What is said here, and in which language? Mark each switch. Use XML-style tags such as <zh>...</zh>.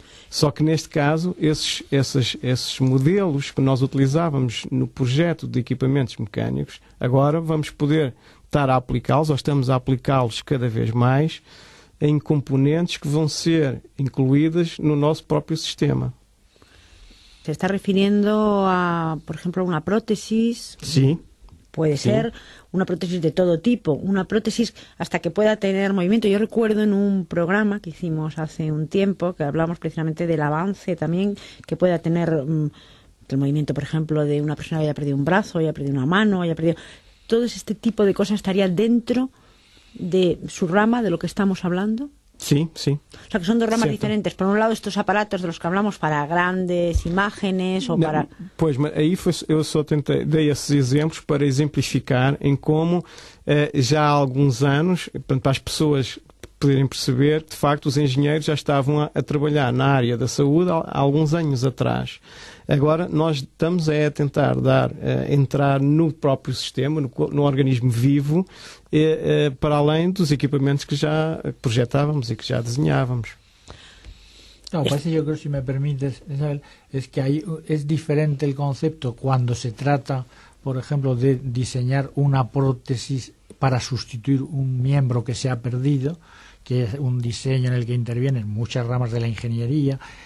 <pt>Só que, neste caso, esses modelos que nós utilizávamos no projeto de equipamentos mecânicos, agora vamos poder estar a aplicá-los, ou estamos a aplicá-los cada vez mais, em componentes que vão ser incluídas no nosso próprio sistema.</pt> <es>Se está refiriendo a, por ejemplo, una prótesis. Sí. Puede ser una prótesis de todo tipo. Una prótesis hasta que pueda tener movimiento. Yo recuerdo en un programa que hicimos hace un tiempo que hablamos precisamente del avance también que pueda tener el movimiento, por ejemplo, de una persona que haya perdido un brazo, haya perdido una mano, haya perdido. Todo este tipo de cosas estaría dentro de su rama de lo que estamos hablando. Sí, sí. O sea, que son dos ramas, cierto, diferentes. Por un lado, estos aparatos de los que hablamos para grandes imágenes o no, para...</es> <pt>Pois, mas aí foi, eu só tentei, dei esses exemplos para exemplificar em como já há alguns anos, portanto, para as pessoas poderem perceber, de facto, os engenheiros já estavam a trabalhar na área da saúde há alguns anos atrás. Agora, nós estamos a tentar entrar no próprio sistema, no organismo vivo, para além dos equipamentos que já projetávamos e que já desenhávamos. Não, pois eu creio, se me permites, Isabel, é que aí é diferente o conceito quando se trata, por exemplo, de desenhar uma prótese para</pt> <es>sustituir un miembro que se ha perdido, que es un diseño en el que intervienen muchas ramas de la ingeniería,</es>